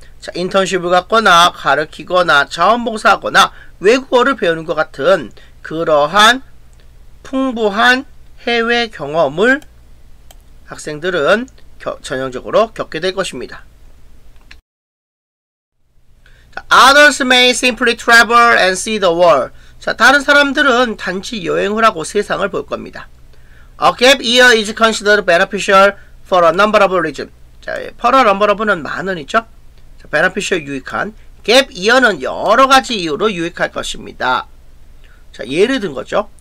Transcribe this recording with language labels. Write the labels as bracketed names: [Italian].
[Korean] 자, 인턴십을 갖거나 가르치거나 자원봉사하거나 외국어를 배우는 것 같은 그러한 풍부한 해외 경험을 학생들은 전형적으로 겪게 될 것입니다. [English] Others may simply travel and see the world. [Korean] 자, 다른 사람들은 단지 여행을 하고 세상을 볼 겁니다. [English] A gap year is considered beneficial for a number of reasons. [Korean] 자, [English] for a number of [Korean] 는 많은 있죠. 자, beneficial 유익한. Gap year는 여러 가지 이유로 유익할 것입니다. 자, 예를 든 거죠.